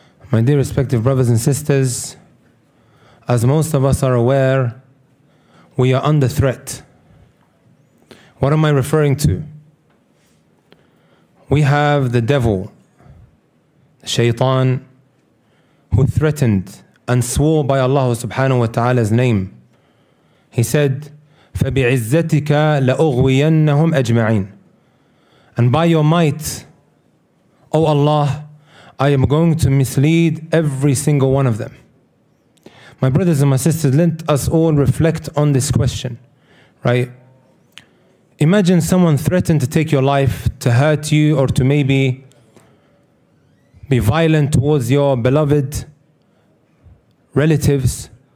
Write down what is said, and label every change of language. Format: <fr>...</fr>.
<en>My dear respective brothers and sisters, as most of us are aware, we are under threat. What am I referring to? We have the devil, Shaytan, who threatened and swore by Allah subhanahu wa ta'ala's name.</en> <ar>He said, فَبِعِزَّتِكَ لَأُغْوِيَنَّهُمْ أَجْمَعِينَ.</ar> <en>And by your might, O Allah, I am going to mislead every single one of them. My brothers and my sisters, let us all reflect on this question, right? Imagine someone threatened to take your life, to hurt you, or to maybe be violent towards your beloved relatives.</en>